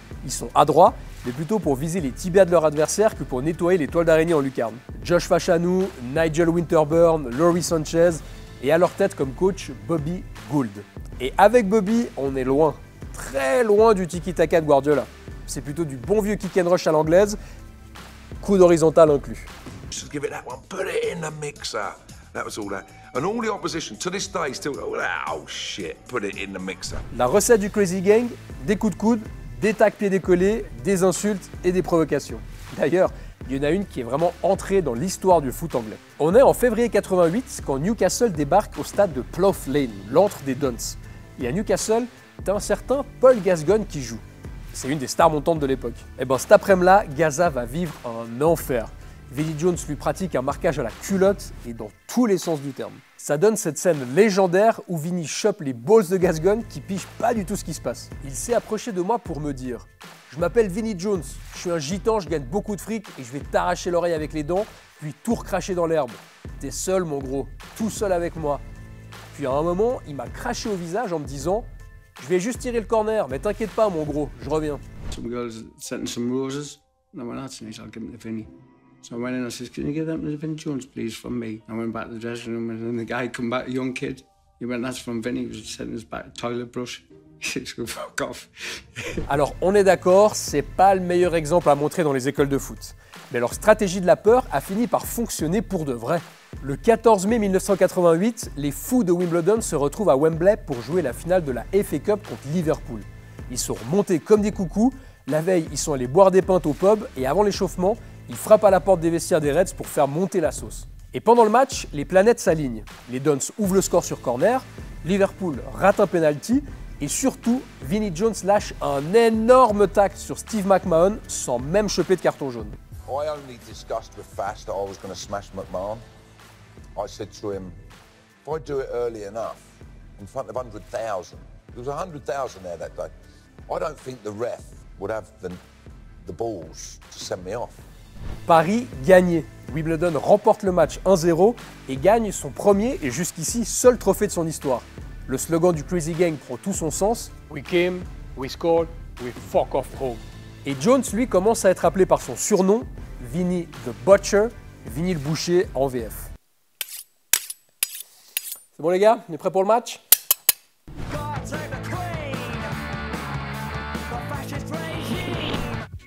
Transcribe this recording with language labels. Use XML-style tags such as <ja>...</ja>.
<fr>Ils sont adroits, mais plutôt pour viser les tibias de leur adversaire que pour nettoyer les toiles d'araignée en lucarne. Josh Fashanu, Nigel Winterburn, Laurie Sanchez, et à leur tête comme coach, Bobby Gould. Et avec Bobby, on est loin, très loin du tiki-taka de Guardiola. C'est plutôt du bon vieux kick and rush à l'anglaise, coup d'horizontal inclus.</fr> <en>Just give it that one, put it in the mixer. That was all that. And all the opposition, to this day, still, oh shit, put it in the mixer.</en> <fr>La recette du Crazy Gang, des coups de coude, des tacs pieds décollés, des insultes et des provocations. D'ailleurs, il y en a une qui est vraiment entrée dans l'histoire du foot anglais. On est en février 88 quand Newcastle débarque au stade de Plough Lane, l'antre des Dons. Et à Newcastle, t'as un certain Paul Gascoigne qui joue. C'est une des stars montantes de l'époque. Et ben cet après-midi-là, Gaza va vivre un enfer. Vinnie Jones lui pratique un marquage à la culotte et dans tous les sens du terme. Ça donne cette scène légendaire où Vinnie chope les balls de Gascoigne qui pige pas du tout ce qui se passe. Il s'est approché de moi pour me dire « Je m'appelle Vinnie Jones, je suis un gitan, je gagne beaucoup de fric et je vais t'arracher l'oreille avec les dents, puis tout recracher dans l'herbe. T'es seul mon gros, tout seul avec moi. » Puis à un moment, il m'a craché au visage en me disant « Je vais juste tirer le corner, mais t'inquiète pas mon gros, je reviens. »</fr> <en>Some girls sent some roses. No, well, that's nice. I'll give them to Vinnie. So I went in and I said, can you give them to Vinnie Jones, please, from me? I went back to the dressing room and then the guy come back, a young kid. He went, that's from Vinnie, he was sitting his back, toilet brush. He said, fuck off.</en> <fr>Alors, on est d'accord, c'est pas le meilleur exemple à montrer dans les écoles de foot. Mais leur stratégie de la peur a fini par fonctionner pour de vrai. Le 14 mai 1988, les fous de Wimbledon se retrouvent à Wembley pour jouer la finale de la FA Cup contre Liverpool. Ils sont remontés comme des coucous, la veille, ils sont allés boire des pintes au pub et avant l'échauffement, il frappe à la porte des vestiaires des Reds pour faire monter la sauce. Et pendant le match, les planètes s'alignent. Les Dons ouvrent le score sur corner, Liverpool rate un penalty et surtout, Vinnie Jones lâche un énorme tacle sur Steve McMahon sans même choper de carton jaune.</fr> <en>I only discussed with Fast that I was going to smash McMahon. I said to him, if I do it early enough, in front of 100,000, there was 100,000 there that day, I don't think the ref would have the balls to send me off.</en> <fr>Paris gagné. Wimbledon remporte le match 1-0 et gagne son premier et jusqu'ici seul trophée de son histoire. Le slogan du Crazy Gang prend tout son sens.</fr> <en>We came, we scored, we fuck off home.</en> <fr>Et Jones, lui, commence à être appelé par son surnom, Vinny the Butcher, Vinny le Boucher en VF. C'est bon les gars, on est prêts pour le match ?</fr>